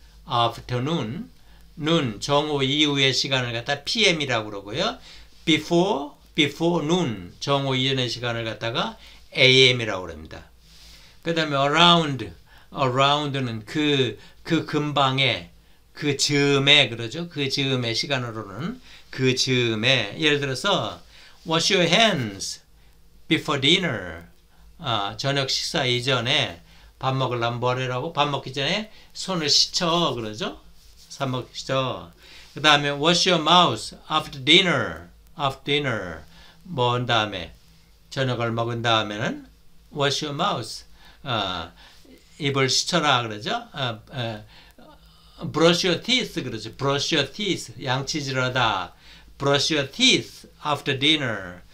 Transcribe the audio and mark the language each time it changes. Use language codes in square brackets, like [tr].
[ko] afternoon, 눈, 정오 이후의 시간을 갖다 PM이라고 그러고요. before noon, 정오 이전의 시간을 갖다가 AM이라고 합니다. 그 다음에 around는 그 근방에, 그 즈음에, 그러죠? 그 즈음에, 시간으로는 그 즈음에. 예를 들어서, [en] wash your hands before dinner. [ko] 저녁 식사 이전에 밥 먹으려면 뭐라고? 밥 먹기 전에 손을 씻어, 그러죠? 밥 먹기 전. 그 다음에 [en] wash your mouth after dinner. [ko] 뭐, 한 다음에. 저녁을 먹은 다음에는 [en] wash your mouth, [ko] 입을 씻어라 그러죠. [en] brush your teeth [ko] 그러죠. [en] brush your teeth, [ko] 양치질 하다. [en] brush your teeth after dinner.